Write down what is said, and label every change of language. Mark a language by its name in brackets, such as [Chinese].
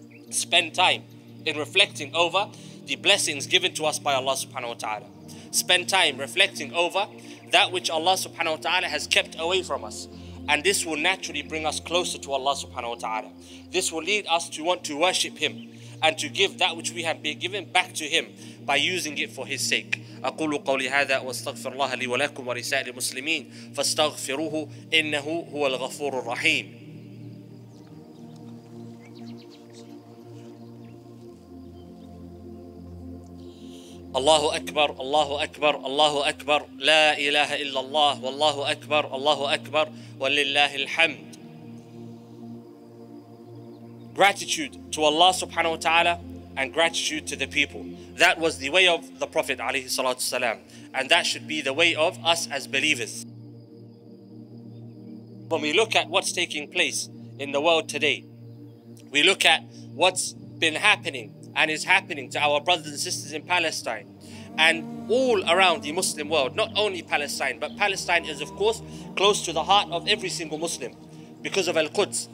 [English] Spend time in reflecting over the blessings given to us by Allah subhanahu wa ta'ala. Spend time reflecting over that which Allah subhanahu wa ta'ala has kept away from us. And this will naturally bring us closer to Allah subhanahu wa ta'ala. This will lead us to want to worship Him and to give that which we have been given back to Him by using it for His sake. [Arabic] أقول قولي هذا واستغفر الله لي ولكم ولسائر المسلمين فاستغفروه إنه هو الغفور الرحيم. الله أكبر الله أكبر الله أكبر لا إله إلا الله والله أكبر الله أكبر ولله الحمد. [English] Gratitude to Allah subhanahu wa ta'ala and gratitude to the people. That was the way of the Prophet alayhi salatu salam, and that should be the way of us as believers. When we look at what's taking place in the world today, we look at what's been happening and is happening to our brothers and sisters in Palestine and all around the Muslim world, not only Palestine, but Palestine is of course close to the heart of every single Muslim because of Al-Quds.